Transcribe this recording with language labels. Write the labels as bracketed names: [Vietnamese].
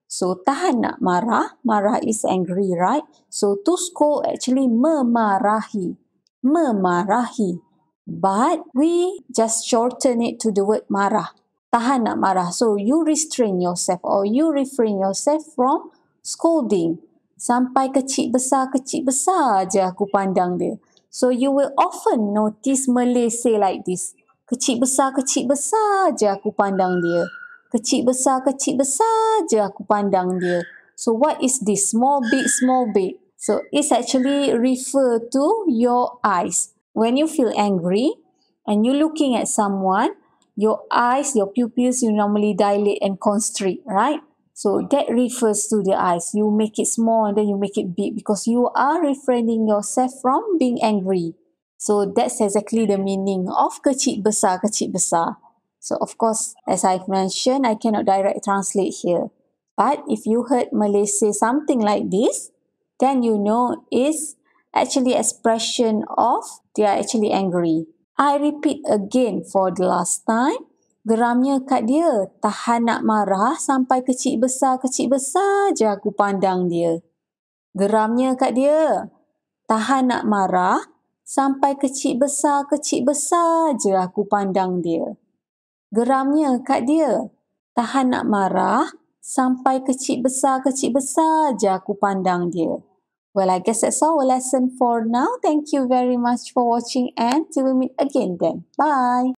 [English] So [Malay] tahan nak marah, [English] marah is angry, right? So to scold actually [Malay] memarahi. Memarahi. [English] But we just shorten it to the word marah. [Malay] Tahan nak marah. [English] So you restrain yourself or you refrain yourself from scolding. [Malay] Sampai kecil besar je aku pandang dia. [English] So you will often notice Malay say like this. [Malay] Kecil besar je aku pandang dia. Kecil besar je aku pandang dia. [English] So what is this? Small big. So it's actually refer to your eyes. When you feel angry and you looking at someone, your eyes, your pupils, you normally dilate and constrict, right? So that refers to the eyes. You make it small and then you make it big because you are refraining yourself from being angry. So that's exactly the meaning of kecil besar. So of course, as I've mentioned, I cannot direct translate here. But if you heard Malay say something like this, then you know it's actually expression of they are actually angry. I repeat again for the last time. [Malay] Geramnya kat dia, tahan nak marah sampai kecil besar je aku pandang dia. Geramnya kat dia, tahan nak marah sampai kecil besar je aku pandang dia. Geramnya kat dia, tahan nak marah sampai kecil besar je aku pandang dia. [English] Well, I guess that's our lesson for now. Thank you very much for watching and till we meet again then. Bye!